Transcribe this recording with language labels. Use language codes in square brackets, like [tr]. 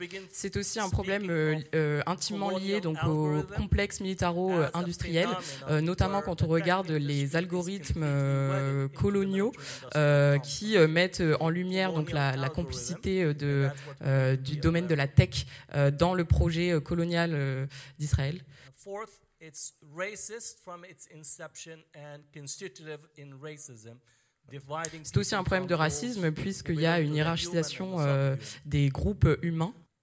[fr] C'est aussi un problème intimement lié donc au complexe militaro-industriel, notamment quand on regarde les algorithmes coloniaux qui mettent en lumière donc la complicité du domaine de la tech dans le projet colonial d'Israël. [en] Fourth, it's racist from its inception and constitutive in racism. [fr] C'est aussi un problème de racisme, puisqu'il y a une hiérarchisation des groupes humains.